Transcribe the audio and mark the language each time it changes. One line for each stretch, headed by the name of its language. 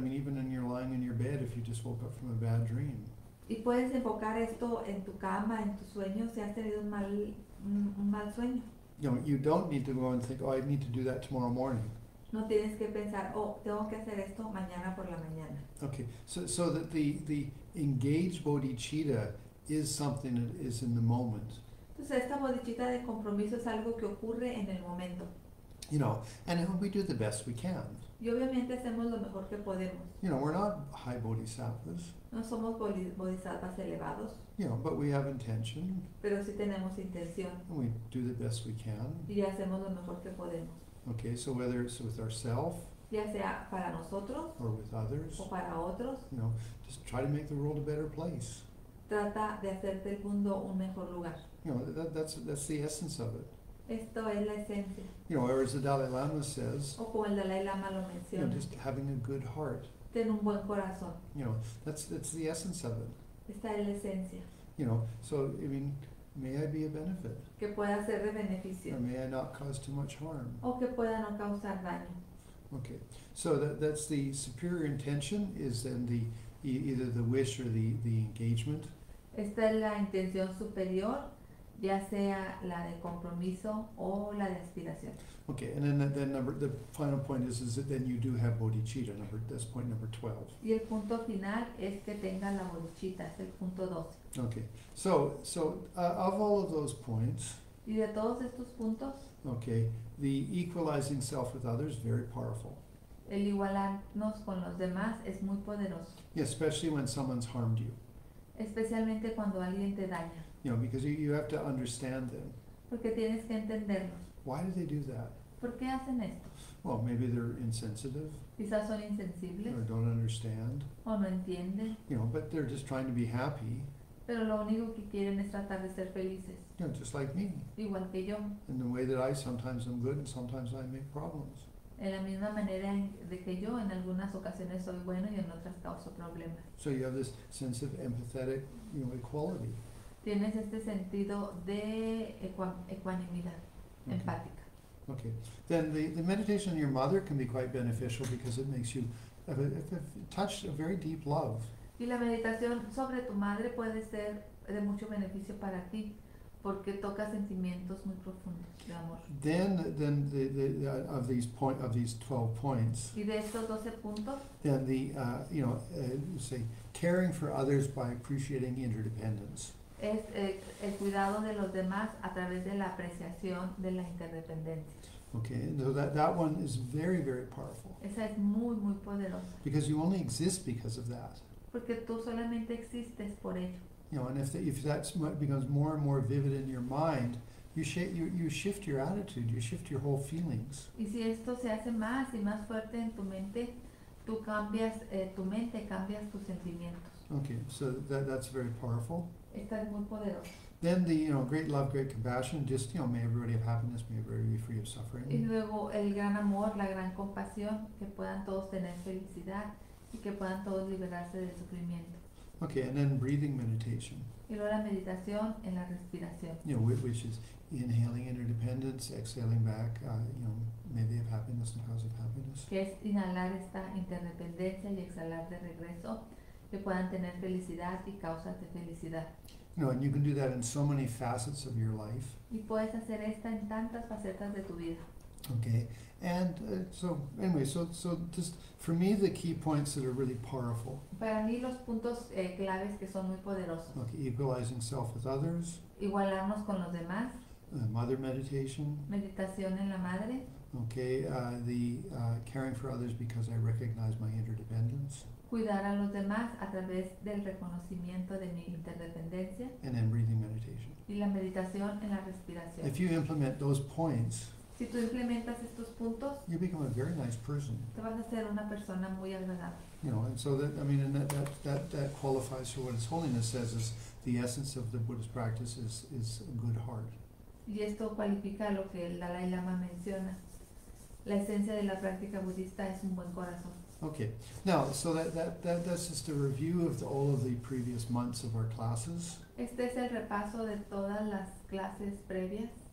English: I mean, even when you're lying in your bed, if you just woke up from a bad dream.
Spanish: Y puedes enfocar esto en tu cama, en tus sueños, si has tenido un mal sueño.
English: You don't need to go and think, oh, I need to do that tomorrow morning.
Spanish: No tienes que pensar, oh, tengo que hacer esto mañana por la mañana.
English: Okay, so that the engaged bodhicitta is something that is in the moment.
Spanish: Entonces, esta bodichita de compromiso es algo que ocurre en el momento.
English: And we do the best we can.
Spanish: Y obviamente hacemos lo mejor que podemos.
English: We're not high bodhisattvas.
Spanish: No somos bodhisattvas elevados.
English: But we have intention.
Spanish: Pero sí tenemos intención.
English: And we do the best we can.
Spanish: Y hacemos lo mejor que podemos.
English: Okay, so whether it's with ourself
Spanish: Ya sea para nosotros
English: or with others,
Spanish: o para otros,
English: just try to make the world a better place.
Spanish: trata de hacer del mundo un mejor lugar.
English: That's the essence of it.
Spanish: Esto es la esencia.
English: Or as the Dalai Lama says,
Spanish: O como el Dalai Lama lo menciona,
English: just having a good heart.
Spanish: ten un buen corazón.
English: That's the essence of it.
Spanish: Esta es la esencia.
English: May I be a benefit?
Spanish: Que pueda ser de beneficio.
English: Or may I not cause too much harm?
Spanish: O que pueda no causar daño.
English: Okay, so that's the superior intention is then the either the wish or the engagement.
Spanish: Esta es la intención superior, ya sea la de compromiso o la de aspiración.
English: Okay, and then number the final point is that then you do have bodhicitta. That's point number 12.
Spanish: Y el punto final es que tenga la bodichita, es el punto 12.
English: Okay, so of all of those points,
Spanish: Y de todos estos puntos,
English: okay, the equalizing self with others very powerful.
Spanish: el igualarnos con los demás es muy poderoso.
English: Yeah, especially when someone's harmed you.
Spanish: Especialmente cuando alguien te daña.
English: Because you have to understand them.
Spanish: Porque tienes que entenderlos.
English: Why do they do that?
Spanish: ¿Por qué hacen esto?
English: Well, maybe they're insensitive.
Spanish: Quizás son insensibles.
English: Or don't understand.
Spanish: O no entienden.
English: But they're just trying to be happy.
Spanish: Pero lo único que quieren es tratar de ser felices.
English: Just like me.
Spanish: Igual que yo.
English: In the way that I sometimes I'm good and sometimes I make problems.
Spanish: En la misma manera de que yo, en algunas ocasiones soy bueno y en otras causo problemas.
English: So you have this sense of empathetic, equality.
Spanish: Tienes este sentido de ecuanimidad, empática.
English: Okay, then the meditation on your mother can be quite beneficial because it makes you touch a very deep love.
Spanish: Y la meditación sobre tu madre puede ser de mucho beneficio para ti, porque toca sentimientos muy profundos de amor.
English: Then the of these point of these 12 points.
Spanish: Y de estos 12 puntos.
English: Then the say caring for others by appreciating interdependence.
Spanish: Es el cuidado de los demás a través de la apreciación de la interdependencia.
English: Okay, so that one is very, very powerful.
Spanish: Esa es muy, muy poderosa.
English: Because you only exist because of that.
Spanish: Porque tú solamente existes por ello.
English: You know, and if that becomes more and more vivid in your mind, you shift your attitude, you shift your whole feelings.
Spanish: Y si esto se hace más y más fuerte en tu mente, tú cambias tu mente, cambias tus sentimientos.
English: Okay, so that's very powerful.
Spanish: Esta es muy poderosa.
English: Then the great love, great compassion, just may everybody have happiness, may everybody be free of suffering.
Spanish: Y luego el gran amor, la gran compasión, que puedan todos tener felicidad y que puedan todos liberarse del sufrimiento.
English: Okay, and then breathing meditation.
Spanish: Y luego la meditación en la respiración.
English: Which is inhaling interdependence, exhaling back, may they have happiness and cause of happiness.
Spanish: Que es inhalar esta interdependencia y exhalar de regreso, que puedan tener felicidad y causas de felicidad.
English: And you can do that in so many facets of your life.
Spanish: Y puedes hacer esta en tantas facetas de tu vida.
English: Okay, and so just for me the key points that are really powerful.
Spanish: Para mí los puntos claves que son muy poderosos.
English: Okay, equalizing self with others.
Spanish: Igualarnos con los demás.
English: Mother meditation.
Spanish: Meditación en la madre.
English: Okay, caring for others because I recognize my interdependence.
Spanish: Cuidar a los demás a través del reconocimiento de mi interdependencia.
English: And then breathing meditation.
Spanish: Y la meditación en la respiración.
English: If you implement those points.
Spanish: Si tú implementas estos puntos,
English: you become a very nice person.
Spanish: Te vas a ser una persona muy agradable.
English: And that qualifies for what His Holiness says is the essence of the Buddhist practice is a good heart.
Spanish: Y esto cualifica lo que el Dalai Lama menciona. La esencia de la práctica budista es un buen corazón.
English: Okay. Now, so that's just a review of all of the previous months of our classes.
Spanish: Este es el repaso de todas las clases previas.